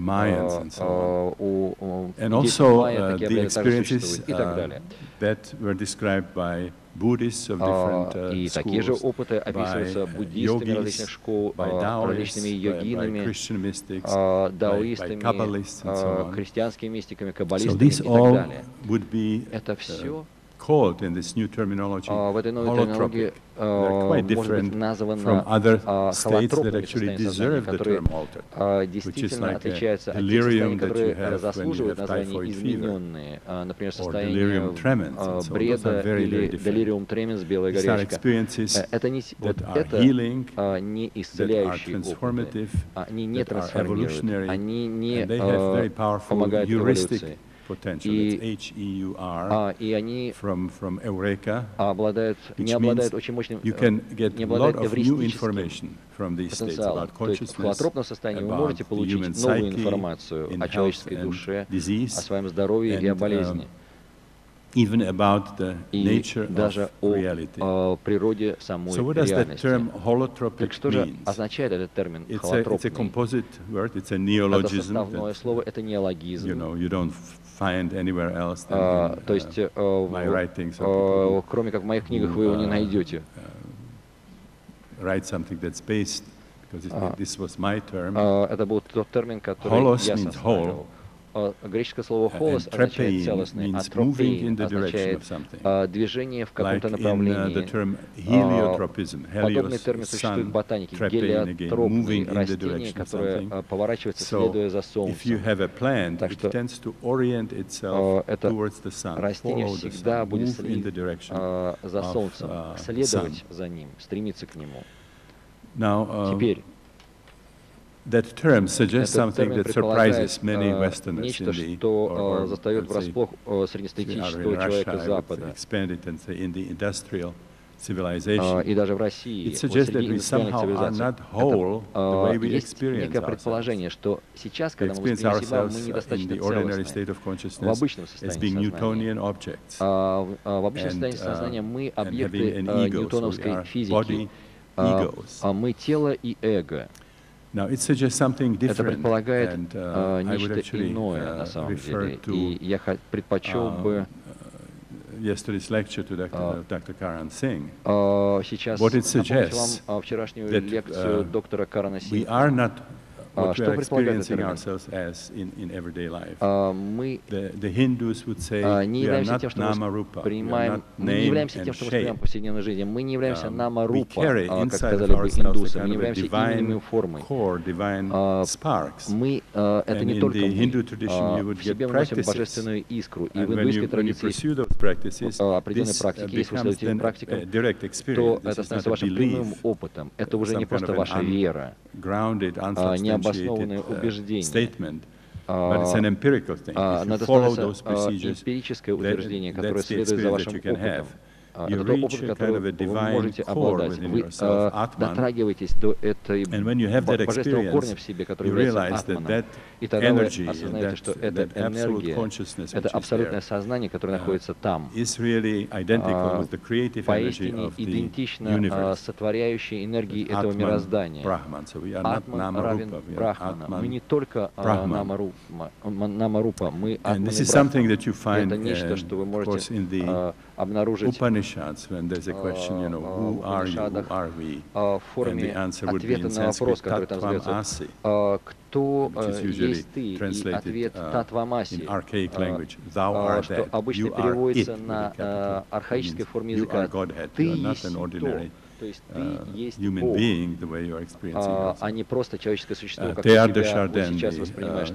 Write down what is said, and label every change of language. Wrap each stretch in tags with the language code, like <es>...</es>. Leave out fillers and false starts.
<ru>Майя такие обряды также существуют, и так далее. И такие же опыты описываются буддистами различных школ, различными йогинами, даоистами, христианскими мистиками, каббалистами и так далее. Это все</ru> <en>called in this new terminology holotropic. They're quite different from other states that actually deserve the term altered, which is like a delirium that you have when you have typhoid fever, or delirium tremens, so those are very, very different. These are experiences that are healing, that are transformative, that are evolutionary, and they have very powerful heuristic potential. H-E-U-R,</en> <ru>и они</ru> <en>from Eureka,</en> <ru>обладают, не обладают очень мощным,</ru> <en>you can get a lot of new information from these states about consciousness,</en> <ru>в холотропном состоянии вы можете получить новую информацию о человеческой душе,</ru> <en>disease,</en> <ru>о своем здоровье и о болезни.</ru> <en>Even about the nature of reality. So what does that term holotropic mean? It's a composite word, it's a neologism. That, you know, you don't find anywhere else than in my writings.</en> <ru>Кроме как в моих книгах вы его не найдете.</ru> <en>Write something that's based, because this was my term.</en> <ru>Это был тот термин, который я составил. Греческое слово «холос» означает «целостный», а «тропеин» означает «движение в каком-то направлении». Подобный термин существует в ботанике – гелиотропные растения, которые поворачиваются, следуя за солнцем. Так что это растение всегда будет следить за солнцем, следовать за ним, стремиться к нему. Теперь.</ru> <en>That term suggests something that surprises many Westerners</en> <ru>нечто,</ru> <en>in the,</en> <ru>что, застает врасплох среднестатистического человека Запада.</ru> <en>Expand it and say in the industrial civilization.</en> <ru>И даже в России,</ru> <en>it suggests that we somehow are not whole the way we experience</en> <ru>некое предположение, что сейчас, когда мы</ru> <en>experience ourselves in the ordinary state of consciousness as being Newtonian objects.</en> <ru>В обычном состоянии сознания мы объекты ньютоновской физики, а мы тело и эго.</ru> <en>Now it suggests something different.</en> <ru>Это предполагает нечто иное на самом деле. И я предпочел бы</ru> <en>yesterday's lecture to Dr. Karan Singh.</en> <ru>Сейчас напомнить вам вчерашнюю лекцию доктора Карана Сингха.</ru> <en>We are not what we're experiencing ourselves as in everyday life. The Hindus would say we are not nama rupa.</en> <ru>Мы не являемся тем, что мы принимаем повседневной жизни. Мы не являемся нама рупа, как сказали бы индусы. Мы не являемся именными формой.</ru> <en>Core divine sparks.</en> <ru>Мы это не только мы.</ru> <en>In the Hindu tradition, you would get practices. And when you pursue those practices,</en> <ru>определенные практики, если вы следуете этим практикам, то это становится вашим прямым опытом. Это уже не просто ваша вера. Необоснованное убеждение. Но это эмпирическое утверждение, которое следует за вашим опытом. Это тот опыт, который вы можете обладать. Вы дотрагиваетесь до этой божественного корня в себе, который является атманом. И тогда вы осознаете, что эта энергия, это абсолютное сознание, которое находится там, поистине идентично сотворяющей энергии этого мироздания. Атман равен Брахмана. Мы не только намарупа, мы атман и брахмана. И это нечто, что вы можете обнаружить</ru> <en>Upanishads, when there's a question, you know, who are you, who are we, and the answer would be in Sanskrit, tattvam asi.</en> <ru>кто есть ты, и ответ Татвамаси, что обычно переводится на архаической форме языка, ты есть то, то есть ты есть Бог, а не просто человеческое существо, как ты себя сейчас воспринимаешь.</ru>